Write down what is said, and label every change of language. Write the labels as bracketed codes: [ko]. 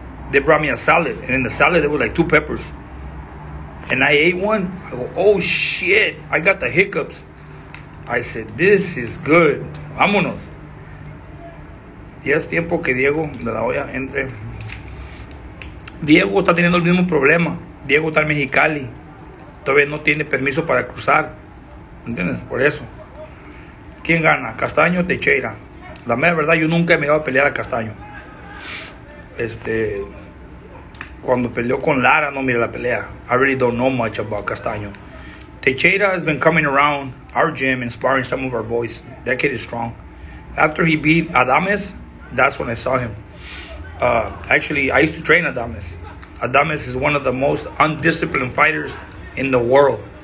[en] They brought me a salad, and in the salad there were like 2 peppers. And I ate one. I go, oh shit, I got the hiccups. I said, this is good. [es] Vámonos. Es tiempo que Diego de la olla entre. Diego está teniendo el mismo problema. Diego está en Mexicali. Todavía no tiene permiso para cruzar. ¿Entiendes? Por eso. ¿Quién gana? ¿Castaño o Teixeira? La mera verdad, yo nunca he mirado a pelear a Castaño. Cuando peleó con Lara, no miré la pelea. [en] I really don't know much about Castaño. Teixeira has been coming around our gym and sparring some of our boys. That kid is strong. After he beat Adames, that's when I saw him. Actually, I used to train Adames. Adames is one of the most undisciplined fighters in the world.